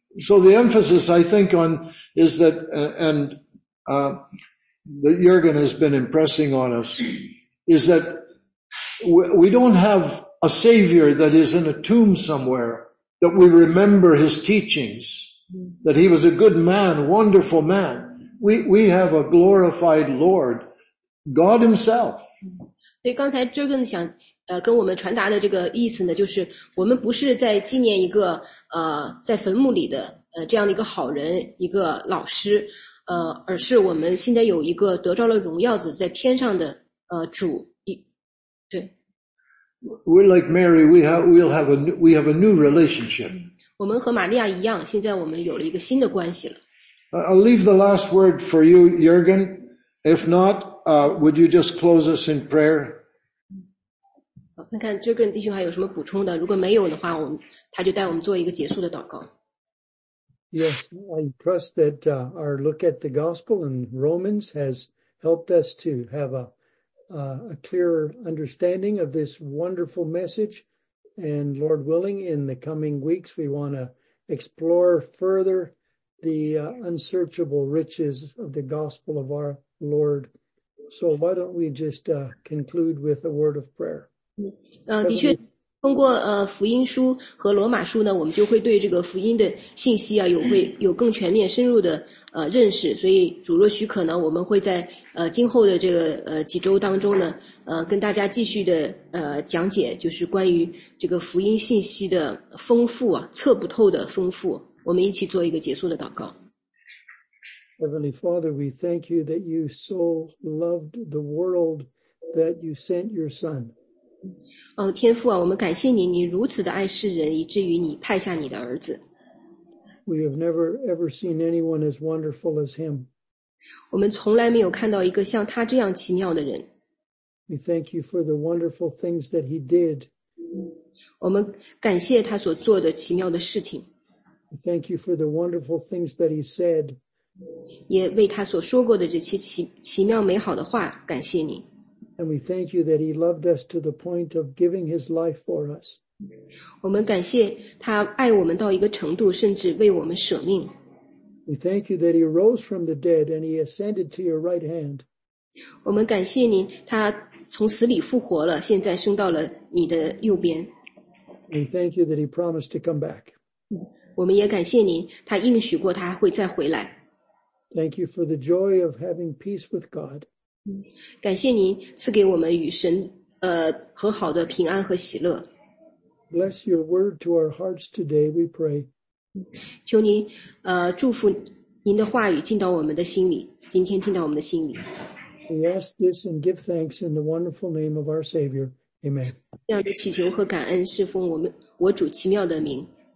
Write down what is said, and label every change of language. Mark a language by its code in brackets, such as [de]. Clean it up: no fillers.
[en] So the emphasis I think on is that, and that Jürgen has been impressing on us, is that we don't have a savior that is in a tomb somewhere, that we remember his teachings, that he was a good man, wonderful man. We have a glorified Lord, God himself. [zh] 所以刚才 Jürgen 想跟我们传达的这个意思呢，就是我们不是在纪念一个在坟墓里的这样的一个好人，一个老师，而是我们现在有一个得着了荣耀的在天上的主。对。 [en] We're like Mary, we have a new relationship. [zh] 我们和玛利亚一样，现在我们有了一个新的关系了。 [en] I'll leave the last word for you, Jürgen. If not, would you just close us in prayer? [zh] 看看这个弟兄还有什么补充的，如果没有的话，他就带我们做一个结束的祷告。 [en] Yes, I trust that our look at the gospel in Romans has helped us to have a clearer understanding of this wonderful message. And Lord willing, in the coming weeks, we want to explore further the unsearchable riches of the gospel of our Lord. So why don't we just conclude with a word of prayer? [zh] 的确通过福音书和罗马书呢，我们就会对这个福音的信息啊有更全面深入的认识，所以主若许可呢，我们会在今后的这个几周当中呢跟大家继续的讲解，就是关于这个福音信息的丰富啊，测不透的丰富。我们一起做一个结束的祷告。 [en] Heavenly Father, we thank you that you so loved the world that you sent your son. [zh] 天父啊，我们感谢你，你如此的爱世人，以至于你派下你的儿子。 [en] We have never ever seen anyone as wonderful as him. [zh] 我们从来没有看到一个像他这样奇妙的人。 [en] We thank you for the wonderful things that he did. [zh] 我们感谢他所做的奇妙的事情。 [en] We thank you for the wonderful things that he said. [zh] 也为他所说过的这些奇妙美好的话感谢你。 [en] And we thank you that he loved us to the point of giving his life for us. [zh] 我们感谢他爱我们到一个程度，甚至为我们舍命。 [en] We thank you that he rose from the dead and he ascended to your right hand. [zh] 我们感谢您，他从死里复活了，现在升到了你的右边。 [en] We thank you that he promised to come back. [zh] 我们也感谢您，他应许过他会再回来。 [en] Thank you for the joy of having peace with God. [zh] 感谢您赐给我们与神和好的平安和喜乐。 [en] Bless your word to our hearts today, we pray. [zh] 求您祝福您的话语进到我们的心里，今天进到我们的心里。 [en] We ask this and give thanks in the wonderful name of our Savior. Amen. [zh] 这样的祈求和感恩是奉我主奇妙的名。